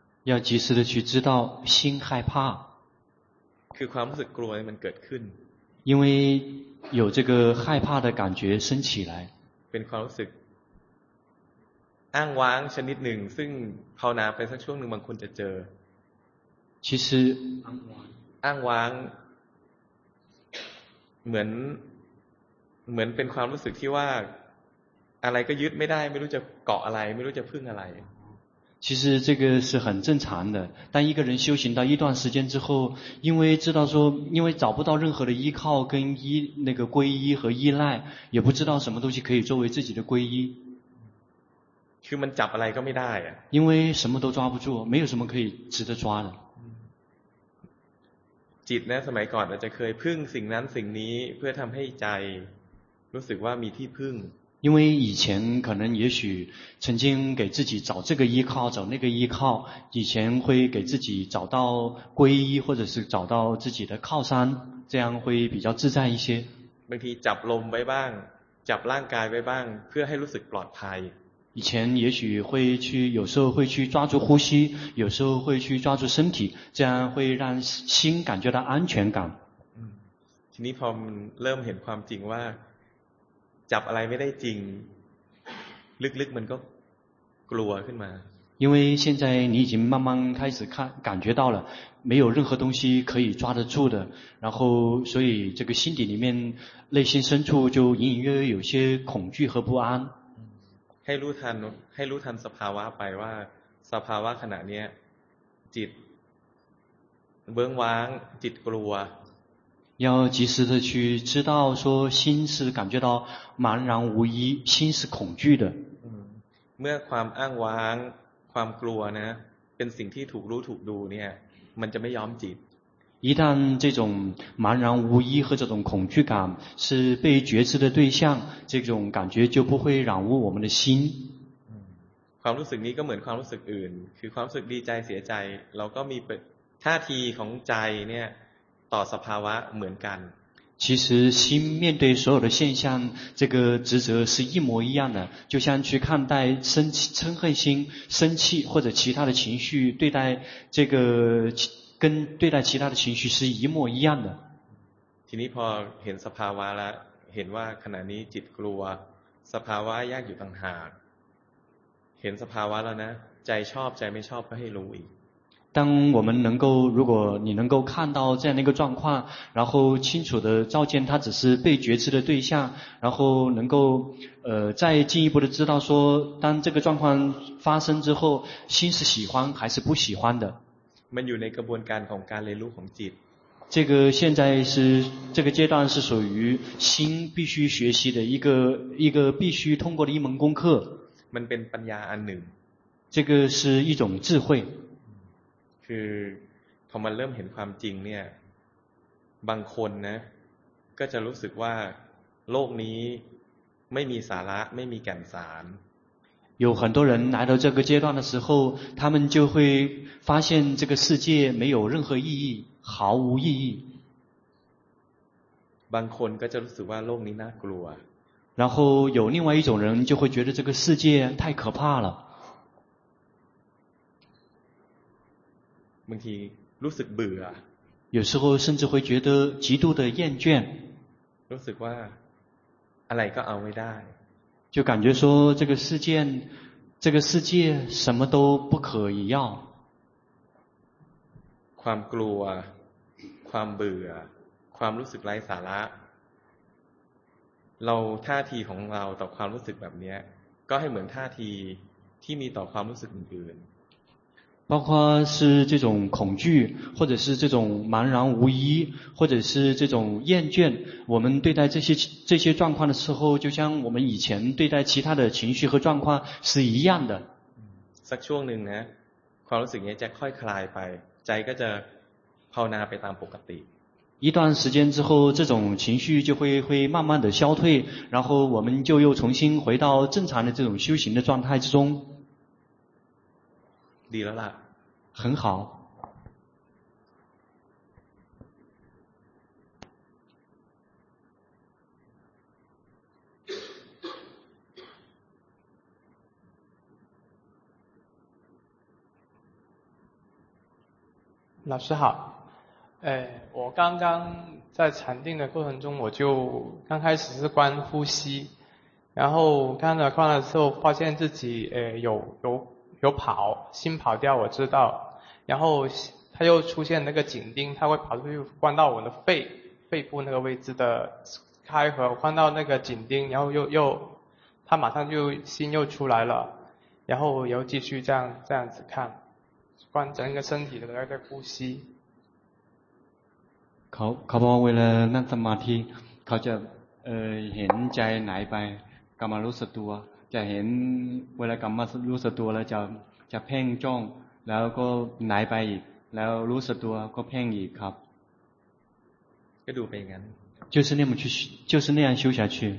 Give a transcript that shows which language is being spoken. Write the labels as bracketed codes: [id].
[zh] 要及时的去知道心害怕 [th] คือความรู้สึกกลัวมันเกิดขึ้น [zh] 因为有这个害怕的感觉升起来 [th] เป็นความรู้สึกอ้างว้างชนิดหนึ่งซึ่งภาวนาไปสักช่วงหนึ่งบางคนจะเจ [zh] อ其实 [th] อ้างว้างเหมือนเป็นความรู้สึกที่ว่าอะไรก็ยึดไม่ได้ไม่รู้จะเกาะอะไรไม่รู้จะพึ่งอะไร [zh] 其实这个是很正常的但一个人修行到一段时间之后因为知道说因为找不到任何的依靠跟依那个皈依和依赖也不知道什么东西可以作为自己的皈依 [th] คือมันจับอะไรก็ไม่ได้อ่ะ [zh] 因为什么都抓不住没有什么可以值得抓的 [th] จิตเนี่ยสมัยก่อนจะเคยพึ่งสิ่งนั้นสิ่งนี้เพื่อทำให้ใจรู้สึกว่ามีที่พึ่ง [zh] 因为以前可能也许曾经给自己找这个依靠找那个依靠以前会给自己找到皈依或者是找到自己的靠山这样会比较自在一些 [th] บางทีจับลมไว้บ้างจับร่างกายไว้บ้างเพื่อให้รู้สึกปลอดภัย [zh] 以前也许会去有时候会去抓住呼吸有时候会去抓住身体这样会让心感觉到安全感 [th] ทีนี้พอมันเริ่มเห็นความจริงว่าจับอะไรไม่ได้จริงลึกๆมันก็กลัวขึ้นมา [zh] 因为现在你已经慢慢开始感觉到了没有任何东西可以抓得住的然后所以这个心底里面内心深处就隐隐约约有些恐惧和不安 [th] ให้รู้ทันสภาวะไปว่าสภาวะขณะนี้จิตเบื้องว้างจิตกลัว [zh] 要及时的去知道说心是感觉到茫然无依心是恐惧的 [th] เมื่อความอ้างว้างความกลัวนะเป็นสิ่งที่ถูกรู้ถูกดูเนี่ยมันจะไม่ยอมจิต [zh] 一旦这种茫然无依和这种恐惧感是被觉知的对象这种感觉就不会染污我们的心 [th] ความรู้สึกนี้ก็เหมือนความรู้สึกอื่นคือความรู้สึกดีใจเสียใจเราก็มีท่าทีของใจเนี่ยต่อสภาวะเหมือนกัน [zh] 其实心面对所有的现象这个职责是一模一样的就像去看待生气嗔恨心生气或者其他的情绪对待这个跟对待其他的情绪是一模一样的 [th] ทีนี้พอเห็นสภาวะแล้วเห็นว่าขณะนี้จิตกลัวสภาวะยากอยู่ต่างหากเห็นสภาวะแล้วนะใจชอบใจไม่ชอบก็ให้รู้อีก รู้ว่าคุณ [zh] 能够看到这样的一个状况然后清楚的照见它只是被觉知的对象然后能够再进一步的知道说当这个状况发生之后心是喜欢还是不喜欢的 [th] มันอยู่ในกระบวนการของการเรียนรู้ของจิต [zh] 这个现在是这个阶段是属于心必须学习的一个必须通过的一门功课 [th] มันเป็นปัญญาอันหนึ่ง [zh] 这个是一种智慧 [th] คือพอมันเริ่มเห็นความจริงเนี่ยบางคนนะก็จะรู้สึกว่าโลกนี้ไม่มีสาระไม่มีแก่นสาร [zh] 有很多人来到这个阶段的时候他们就会发现这个世界没有任何意义毫无意义 [th] บางคนก็จะรู้สึกว่าโลกนี้น่ากลัว [zh] 然后有另外一种人就会觉得这个世界太可怕了。 [th] บางทีรู้สึกเบื่อ [zh] 有时候甚至会觉得极度的厌倦。 [th] รู้สึกว่าอะไรก็เอาไม่ได้。 [zh] 就感觉说这个世界什么都不可以要。 [th] ความกลัวความเบื่อความรู้สึกไร้สาระเราท่าทีของเราต่อความรู้สึกแบบนี้ก็ให้เหมือนท่าทีที่มีต่อความรู้สึกอื่น [zh] 包括是这种恐惧或者是这种茫然无依或者是这种厌倦我们对待这些状况的时候就像我们以前对待其他的情绪和状况是一样的 [th] สักช่วงหนึ่งนะความรู้สึกนี้จะค่อยคลายไปใจก็จะภาวนาไปตามปกติ [zh] 一段时间之后这种情绪就会慢慢的消退然后我们就又重新回到正常的这种修行的状态之中 [th] ดีแล้วล่ะ [zh] 很好老师好我刚刚在禅定的过程中，我就刚开始是观呼吸，然后看了看了之后，发现自己有跑，心跑掉，我知道，然后它又出现那个颈钉，它会跑出去关到我的肺部那个位置的开合，关到那个颈钉，然后又它马上就心又出来了，然后又继续这样子看，观整个身体的那个呼吸。 [th] เขาบอกเวลานั่งสมาธิเขาจะเห็นใจไหนไปกลับมารู้สึกตัวจะเห็นเวลากลับมารู้สึกตัวแล้วจะเพ่งจ้องแล้วก็ไหนไปอีกแล้วรู้สึกตัวก็เพ่งอีกครับ ก็ดูไปอย่างนั้น [zh] 就是那么去就是那样修下去